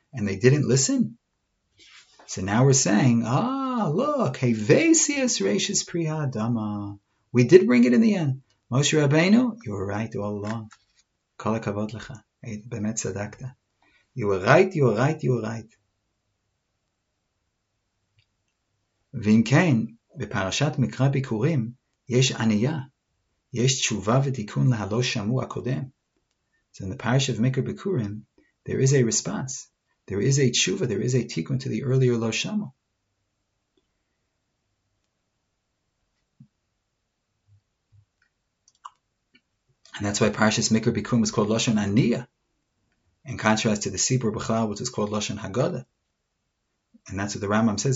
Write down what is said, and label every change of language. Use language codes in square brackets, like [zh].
[en] And they didn't listen. So now we're saying, look, Hevesi es reishis pri ha'adama. We did bring it in the end. Moshe Rabbeinu, you were right all along. Kol hakavod lecha. Bemet tzadakta. You were right, you were right, you were right. [he] ואם כן, בפרשת מקרא ביקורים, יש ענייה, יש תשובה ותיקון להלא שמוע קודם. [en] So in the parish of Mikra Bikurim, there is a response. There is a תשובה, there is a תיקון to the earlier לא שמוע. And that's why parashas Mikra Bikurim is called Lashon Aniyah, in contrast to the Sibur Bechal, which is called Lashon Haggadah. And that's what the Rambam says.